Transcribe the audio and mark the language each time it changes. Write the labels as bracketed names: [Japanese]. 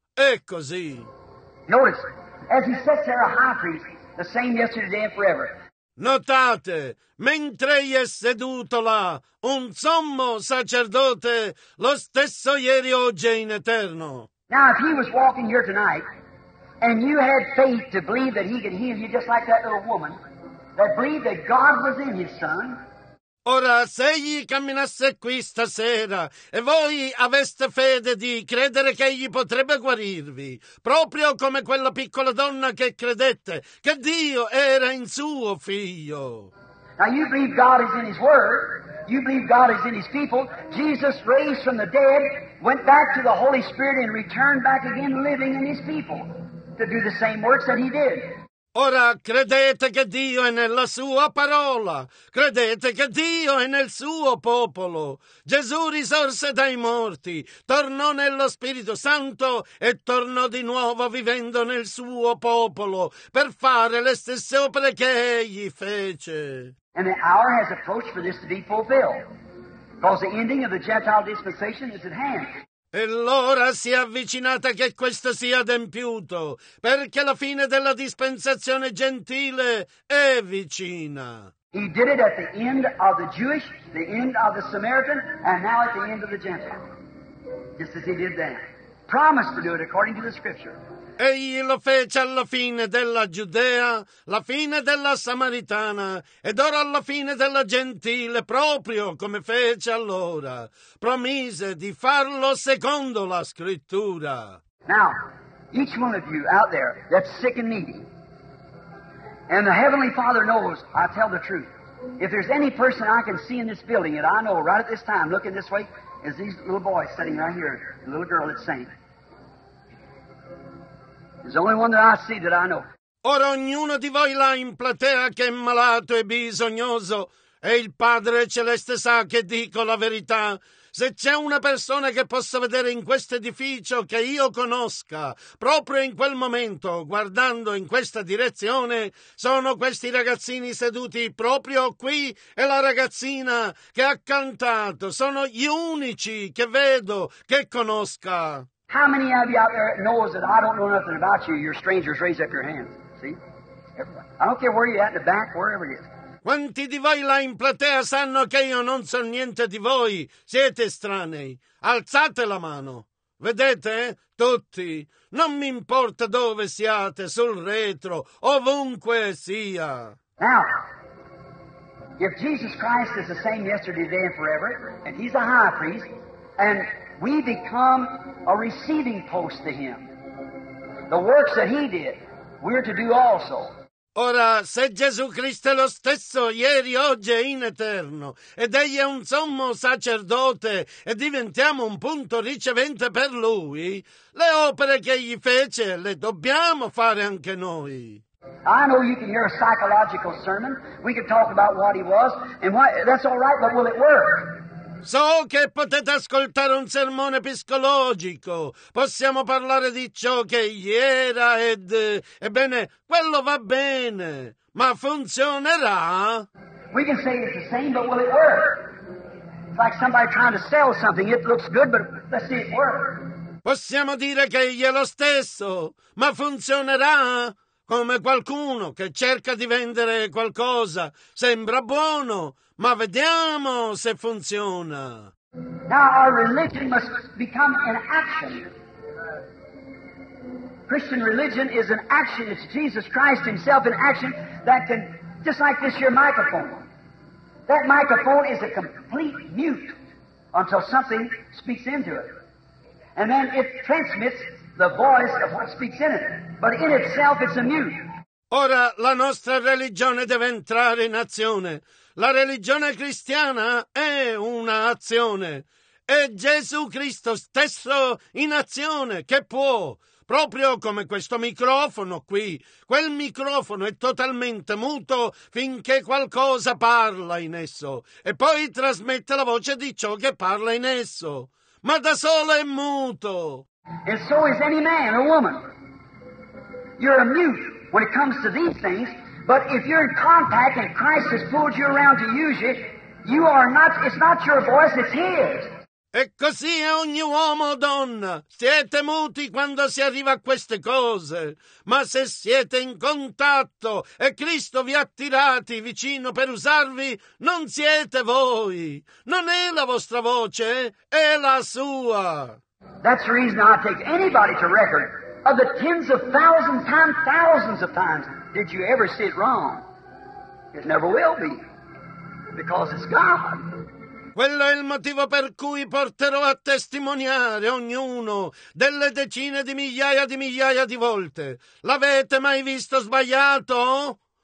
[Italian] È così. [English] Notice, as he sits there a high priest, the same yesterday and forever. [Italian] Notate, mentre egli è seduto là, un sommo sacerdote, lo stesso ieri, oggi e in eterno. [English] Now, if he was walking here tonight, and you had faith to believe that he could heal you just like that little woman, that believed that God was in his son. [Italian] Ora, se egli camminasse qui stasera e voi aveste fede di credere che egli potrebbe guarirvi, proprio come quella piccola donna che credette che Dio era in suo figlio. [English] Now you believe God is in his word, you believe God is in his people. Jesus raised from the dead, went back to the Holy Spirit and returned back again living in his people to do the same works that he did. [Italian] Ora credete che Dio è nella sua parola, credete che Dio è nel suo popolo. Gesù risorse dai morti, tornò nello Spirito Santo e tornò di nuovo vivendo nel suo popolo per fare le stesse opere che egli fece. [English] And the hour has approached for this to be fulfilled, because the ending of the Gentile dispensation is at hand. [Italian] E l'ora si è avvicinata che questo sia adempiuto, perché la fine della dispensazione gentile è vicina. [English] He did it at the end of the Jewish, the end of the Samaritan, and now at the end of the Gentile. Just as he did then. Promised to do it according to the scripture. [Italian] Egli lo fece alla fine della Giudea, la fine della Samaritana, ed ora alla fine della Gentile, proprio come fece allora. Promise di farlo secondo la Scrittura. [English] Now, each one of you out there that's sick and needy, and the Heavenly Father knows, I tell the truth, if there's any person I can see in this building that I know right at this time, looking this way, is these little boys sitting right here, the little girl that's saying. The only one that I see that I know. [Italian] Ora ognuno di voi là in platea che è malato e bisognoso, e il Padre Celeste sa che dico la verità. Se c'è una persona che possa vedere in questo edificio che io conosca, proprio in quel momento, guardando in questa direzione, sono questi ragazzini seduti proprio qui e la ragazzina che ha cantato. Sono gli unici che vedo che conosca. [English] How many of you out there knows that I don't know nothing about you? You're strangers, raise up your hands. See? Everybody. I don't care where you're at, in the back, wherever it is. [Italian] Quanti di voi là in platea sanno che io non so niente di voi? Siete estranei. Alzate la mano. Vedete? Tutti. Non mi importa dove siate, sul retro, ovunque sia. [English] Now, if Jesus Christ is the same yesterday, today, and forever, and he's a high priest, and we become a receiving post to him. The works that he did, we're to do also. [Italian] Ora, se Gesù Cristo è lo stesso ieri, oggi e in eterno, ed egli è un sommo sacerdote, e diventiamo un punto ricevente per lui, le opere che egli fece le dobbiamo fare anche noi. [English] I know you can hear a psychological sermon. We can talk about what he was, and why, that's all right, but will it work? [Italian] So che potete ascoltare un sermone psicologico, possiamo parlare di ciò che era ed, ebbene, quello va bene, ma funzionerà? [English] We can say it's the same, but will it work? It's like somebody trying to sell something, it looks good, but let's see if it works. [Italian] Possiamo dire che egli è lo stesso, ma funzionerà? Come qualcuno che cerca di vendere qualcosa, sembra buono, ma vediamo se funziona. [English] Now our religion must become an action. Christian religion is an action. It's Jesus Christ himself in action that can, just like this here microphone. That microphone is a complete mute until something speaks into it. And then it transmits the voice of what speaks in it. But in itself it's a mute. [Italian] Ora la nostra religione deve entrare in azione. La religione cristiana è un'azione. È Gesù Cristo stesso in azione che può. proprio come questo microfono qui. Quel microfono è totalmente muto finché qualcosa parla in esso e poi trasmette la voce di ciò che parla in esso. Ma da solo è muto. [English] And so is any man or woman. You're a mute when it comes to these things, but if you're in contact and Christ has pulled you around to use it, you are not, it's not your voice, it's his. [Italian] E così è ogni uomo o donna. Siete muti quando si arriva a queste cose. Ma se siete in contatto e Cristo vi ha tirati vicino per usarvi, non siete voi. Non è la vostra voce, è la sua. [English] That's the reason I take anybody to record of the tens of thousands of times, thousands of times, did you ever sit wrong? It never will be, because it's God. [Italian] Quello è il motivo per cui porterò a testimoniare ognuno delle decine di migliaia di volte. L'avete mai visto sbagliato?